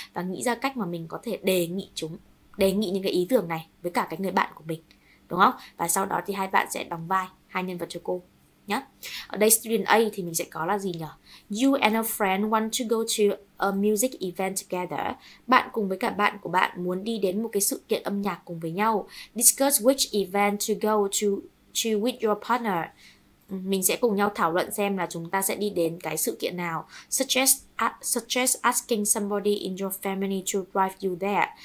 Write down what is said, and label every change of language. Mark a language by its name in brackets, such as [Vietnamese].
[Vietnamese] Và nghĩ ra cách mà mình có thể đề nghị những cái ý tưởng này với cả cái người bạn của mình, đúng không? Và sau đó thì hai bạn sẽ đóng vai hai nhân vật cho cô nhá. Ở đây student A thì mình sẽ có là gì nhỉ? [English] You and a friend want to go to a music event together. [Vietnamese] Bạn cùng với cả bạn của bạn muốn đi đến một cái sự kiện âm nhạc cùng với nhau. [English] Discuss which event to go to with your partner. [Vietnamese] Mình sẽ cùng nhau thảo luận xem là chúng ta sẽ đi đến cái sự kiện nào. [English] Suggest asking somebody in your family to drive you there.